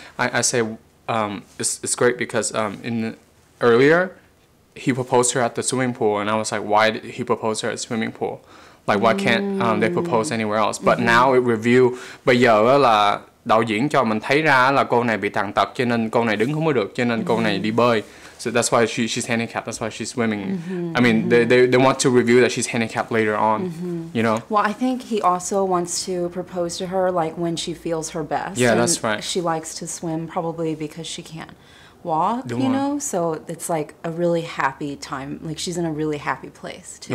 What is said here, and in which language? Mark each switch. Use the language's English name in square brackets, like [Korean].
[English] I say it's great because earlier he proposed her at the swimming pool, and I was like, why did he propose her at the swimming pool? Like, why can't they propose anywhere else? But now it revealed, [Vietnamese] bây giờ là đạo diễn cho mình thấy ra là cô này bị tàn tật, cho nên cô này đứng không có được, cho nên cô này đi bơi. [English] So that's why she's handicapped, that's why she's swimming. Mm-hmm. I mean, they want to reveal that she's handicapped later on, you know? Well, I think he also wants to propose to her, like, when she feels her best. Yeah, that's right. She likes to swim, probably because she can't walk, you know? So it's like a really happy time, like she's in a really happy place, too.